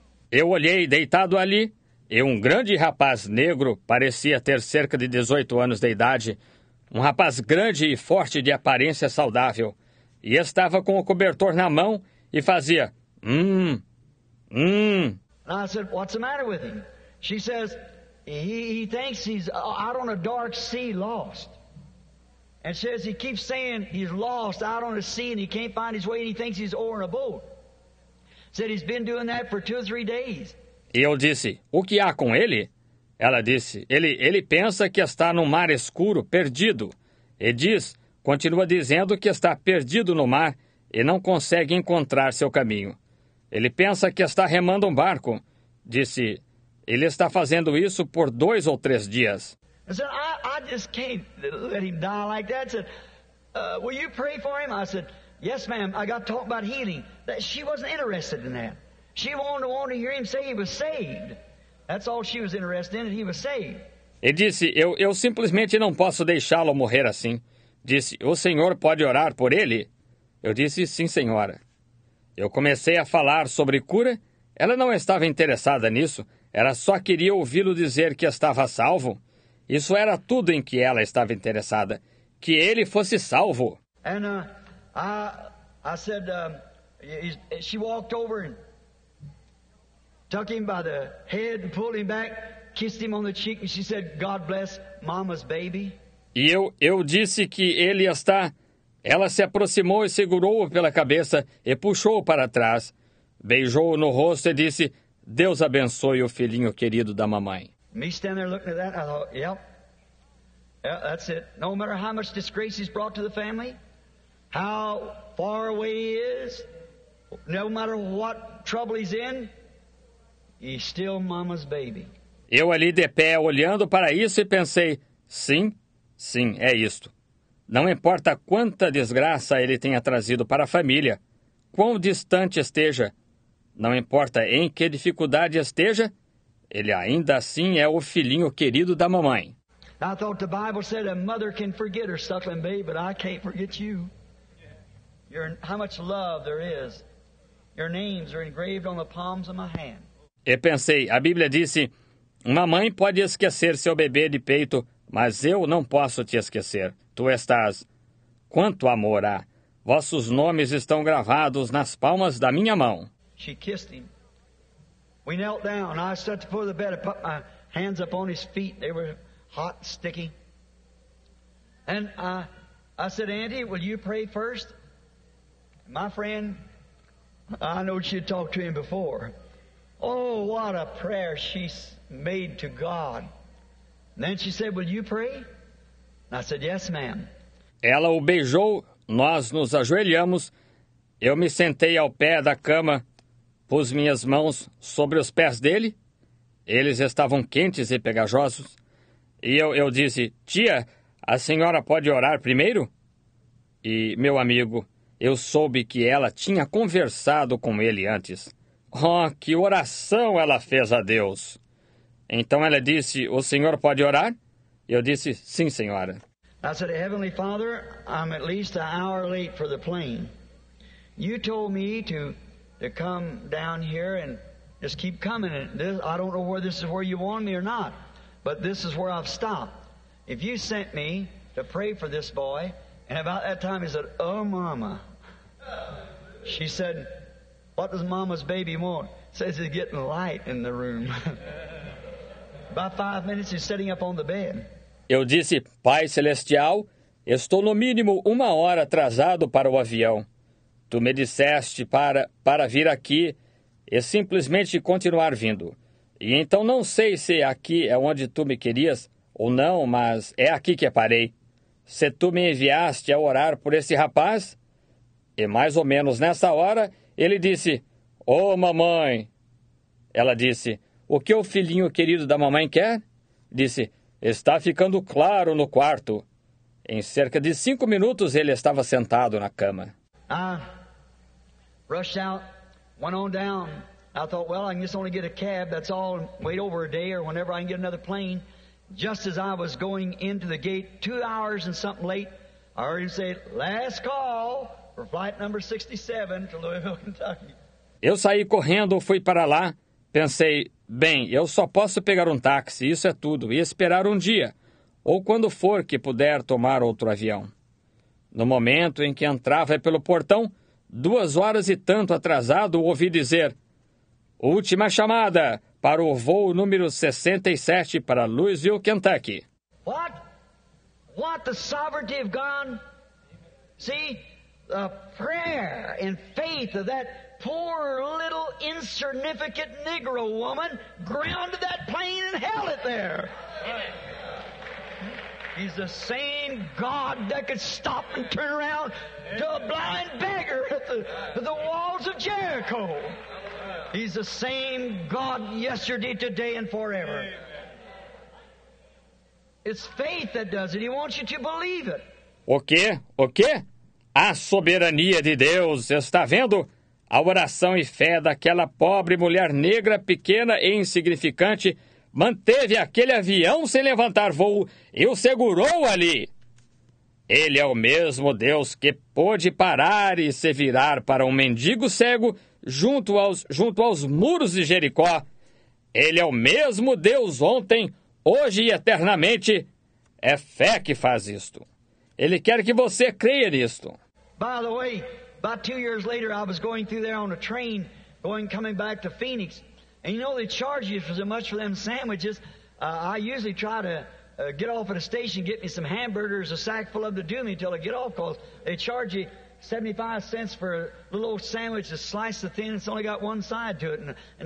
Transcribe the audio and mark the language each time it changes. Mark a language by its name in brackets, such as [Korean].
[Portuguese] Eu olhei deitado ali, e um grande rapaz negro, parecia ter cerca de 18 anos de idade, um rapaz grande e forte de aparência saudável, e estava com o cobertor na mão e fazia, [English] And I said, what's the matter with him? She says, he thinks he's out on a dark sea lost. And she says, he keeps saying he's lost out on a sea and he can't find his way and he thinks he's over in a boat. Said he's been doing that for two or three days. [Portuguese] E eu disse, o que há com ele? Ela disse, ele pensa que está no mar escuro, perdido. E diz, continua dizendo que está perdido no mar e não consegue encontrar seu caminho. Ele pensa que está remando um barco. Disse, ele está fazendo isso por dois ou três dias. [English] I said, I just can't let him die like that. I said, will you pray for him? I said, yes, ma'am, I got to talk about healing. She wasn't interested in that. She wanted to hear him say he was saved. That's all she was interested in, he was saved. [Portuguese] E disse, eu simplesmente não posso deixá-lo morrer assim. Disse, o senhor pode orar por ele? Eu disse, sim, senhora. Eu comecei a falar sobre cura. Ela não estava interessada nisso. Ela só queria ouvi-lo dizer que estava salvo. Isso era tudo em que ela estava interessada. Que ele fosse salvo. [English] And I said, she walked over and took him by the head and pulled him back, kissed him on the cheek and she said, God bless mama's baby. [Portuguese] E eu disse que ele está... Ela se aproximou e segurou-o pela cabeça e puxou-o para trás. Beijou-o no rosto e disse, Deus abençoe o filhinho querido da mamãe. [English] Me standing there looking at that, I thought, yep. Yeah, that's it. No matter how much disgrace he's brought to the family, how far away he is, no matter what trouble he's in, he's still mama's baby. [Portuguese] Eu ali de pé olhando para isso e pensei, sim, sim, é isto. Não importa quanta desgraça ele tenha trazido para a família, quão distante esteja, não importa em que dificuldade esteja, ele ainda assim é o filhinho querido da mamãe. [English] I thought the Bible said a mother can forget her suckling baby, but I can't forget you. How much love there is. Your names are engraved on the palms of my hand. [Portuguese] E pensei, a Bíblia disse, uma mãe pode esquecer seu bebê de peito, mas eu não posso te esquecer. Tu estás. Quanto amor há! Vossos nomes estão gravados nas palmas da minha mão. [English] She kissed him. We knelt down. I stood at the foot of the bed. I put my hands up on his feet. They were hot and sticky. And I said, Auntie, will you pray first? My friend, I know she had talked to him before. Oh, what a prayer she's made to God. Then she said, "Will you pray?" And I said, "Yes, ma'am." [Portuguese] Ela o beijou, nós nos ajoelhamos, eu me sentei ao pé da cama, pus minhas mãos sobre os pés dele, eles estavam quentes e pegajosos, e eu disse, "Tia, a senhora pode orar primeiro?" E, meu amigo, eu soube que ela tinha conversado com ele antes. Oh, que oração ela fez a Deus! Então ela disse, "O senhor pode orar?" Eu disse, "Sim, senhora." [English] I said, "Heavenly Father, I'm at least an hour late for the plane. You told me to come down here and just keep coming. I don't know where this is where you want me or not, but this is where I've stopped. If you sent me to pray for this boy," and about that time he said, "Oh, Mama." She said, "What does Mama's baby want?" Says he's getting light in the room. By 5 minutes, he's sitting up on the bed. [Portuguese] Eu disse, "Pai Celestial, estou no mínimo uma hora atrasado para o avião. Tu me disseste para vir aqui e simplesmente continuar vindo. E então não sei se aqui é onde tu me querias ou não, mas é aqui que parei. Se tu me enviaste a orar por esse rapaz..." E mais ou menos nessa hora, ele disse, "Oh, mamãe." Ela disse, "O que o filhinho querido da mamãe quer?" Disse, "Está ficando claro no quarto." Em cerca de 5 minutos, ele estava sentado na cama. [English] I rushed out, went on down. I thought, "Well, I can just only get a cab, that's all, wait over a day or whenever I can get another plane." Just as I was going into the gate, 2 hours and something late, I heard him say, "Last call for flight number 67 to Louisville, Kentucky." [Portuguese] Eu saí correndo, fui para lá, pensei, "Bem, eu só posso pegar um táxi, isso é tudo, e esperar um dia, ou quando for que puder tomar outro avião." No momento em que entrava pelo portão, 2 horas e tanto atrasado, ouvi dizer, "Última chamada para o voo número 67 para Louisville, Kentucky." [English] What? What? The sovereignty of God? See, the prayer and faith of that poor little insignificant Negro woman grounded that plane and held it there. He's the same God that could stop and turn around to a blind beggar at the walls of Jericho. He's the same God yesterday, today, and forever. It's faith that does it. He wants you to believe it. [Portuguese] O quê? O quê? A soberania de Deus está vendo? A oração e fé daquela pobre mulher negra, pequena e insignificante, manteve aquele avião sem levantar voo e o segurou ali. Ele é o mesmo Deus que pôde parar e se virar para um mendigo cego junto aos muros de Jericó. Ele é o mesmo Deus ontem, hoje e eternamente. É fé que faz isto. Ele quer que você creia nisto. [English] By the way, about 2 years later, I was going through there on a train, coming back to Phoenix. And you know, they charge you for so much for them sandwiches. I usually try to get off at a station, get me some hamburgers, a sack full of the doomy until I get off, because they charge you 75 cents for a little old sandwich that's sliced the thin, it's only got one side to it.